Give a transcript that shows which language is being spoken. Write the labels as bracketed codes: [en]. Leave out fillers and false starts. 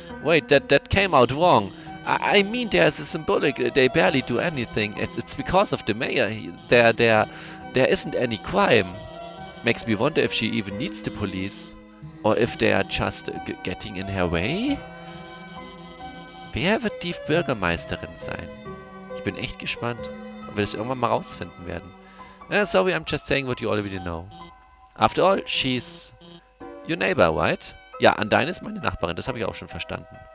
[en] Wait, that came out wrong. I mean, there's a symbolic, they barely do anything. It's because of the mayor. There isn't any crime. Makes me wonder if she even needs the police. Or if they are just getting in her way? [de] Wer wird die Bürgermeisterin sein? Ich bin echt gespannt, ob wir das irgendwann mal rausfinden werden. [en] Sorry, I'm just saying what you already know. After all, she's your neighbor, right? [de] Ja, Undyne ist meine Nachbarin, das habe ich auch schon verstanden.